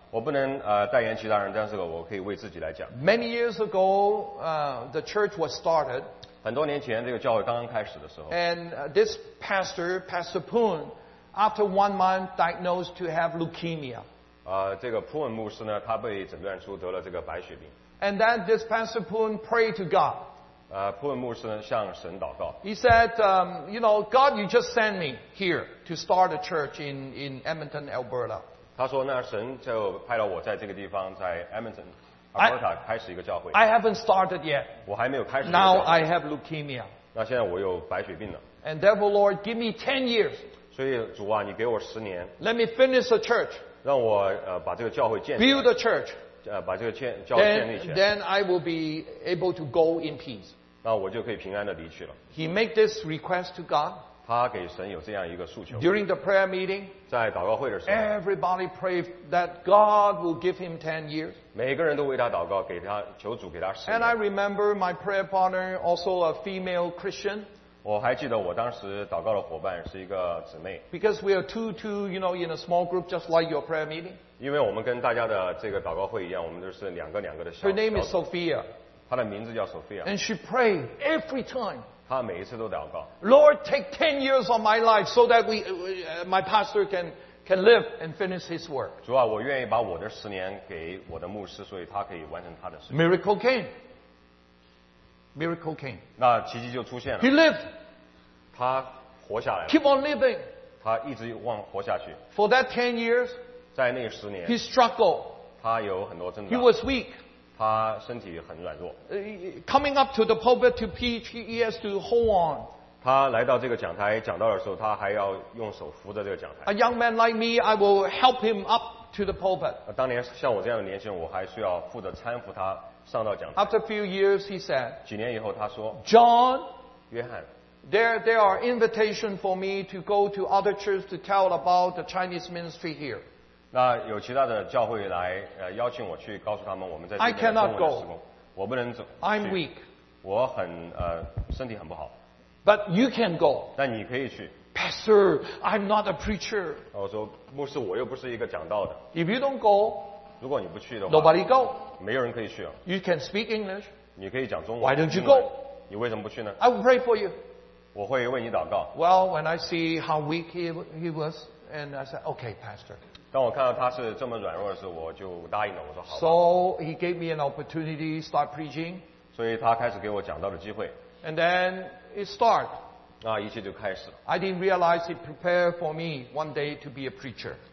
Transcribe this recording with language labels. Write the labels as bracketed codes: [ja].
[zh] 我不能代言其他人，但是我可以为自己来讲。 [en] Many years ago, the church was started. [zh] 很多年前，这个教会刚刚开始的时候。 [en] And this pastor Poon. After 1 month, diagnosed to have leukemia. [zh] 这个 Poon 牧师呢，他被诊断出得了这个白血病。 [en] And then this Pastor Poon prayed to God. [zh] Poon 牧师呢，向神祷告。 [en] He said, "You know, God, you just sent me here to start a church in Edmonton, Alberta." [zh] 他说呢，神就派了我在这个地方，在 Edmonton, Alberta 开始一个教会。 [en] I haven't started yet. [zh] 我还没有开始。 [en] Now I have leukemia. [zh] 那现在我有白血病了。 [en] And therefore, Lord, give me 10 years. [zh] 所以主啊，你给我十年。 [en] Let me finish the church. [zh] 让我把这个教会建起来。 [en] Build the church. [zh] 把这个教会建立起来。 [en] Then I will be able to go in peace. [zh] 那我就可以平安的离去了。 [en] He make this request to God. [zh] 他给神有这样一个诉求。 [en] During the prayer meeting. [zh] 在祷告会的时候。 [en] Everybody pray that God will give him 10 years. [zh] 每个人都为他祷告，给他求主给他十年。 [en] And I remember my prayer partner, also a female Christian. [zh] 我还记得我当时祷告的伙伴是一个姊妹。 [en] Because we are two, you know, in a small group, just like your prayer meeting. [zh] 因为我们跟大家的这个祷告会一样，我们都是两个两个的小。 [en] Her name is Sophia. [zh] 她的名字叫 Sophia. [en] And she prayed every time. [zh] 她每一次都祷告。 [en] Lord, take 10 years of my life so that my pastor can live and finish his work. [zh] 主啊，我愿意把我的十年给我的牧师，所以他可以完成他的事。 [en] Miracle came. Miracle came. [zh] 那奇迹就出现了。 [en] He lived. [zh] 他活下来了。 [en] Keep on living. [zh] 他一直往活下去。 [en] For that 10 years, [zh] 在那十年 [en] he struggled. [zh] 他有很多挣扎。 [en] He was weak. [zh] 他身体很软弱。 [en] Coming up to the pulpit to preach, he has to hold on. [zh] 他来到这个讲台讲道的时候，他还要用手扶着这个讲台。 [en] A young man like me, I will help him up to the pulpit. [zh] 当年像我这样的年轻人，我还需要负责搀扶他。 [en] After a few years, he said, [zh] 几年以后他说, [en] John, [zh] 约翰, [en] there are invitations for me to go to other churches to tell about the Chinese ministry here. [zh] 那有其他的教会来邀请我去告诉他们我们在这边的中文的事工。 [en] I cannot go. [zh] 我不能走。 [en] I'm weak. [zh] 我很身体很不好。 [en] But you can go. [zh] 但你可以去。 [en] Pastor, I'm not a preacher. [zh] 我说牧师我又不是一个讲道的。 [en] If you don't go, [zh] 如果你不去的话 [en] Nobody go. [zh] 没有人可以去啊。 [en] You can speak English. [zh] 你可以讲中文。 [en] Why don't you go? [zh] 你为什么不去呢？ [en] I will pray for you. [zh] 我会为你祷告。 [en] Well, when I see how weak he was, And I said, okay, pastor. [zh] 当我看到他是这么软弱的时候，我就答应了，我说好吧。 [en] So he gave me an opportunity to start preaching. [zh] 所以他开始给我讲道的机会。 [en] And then it started. [zh] 那一切就开始了。 [en] I didn't realize he prepared for me one day to be a preacher.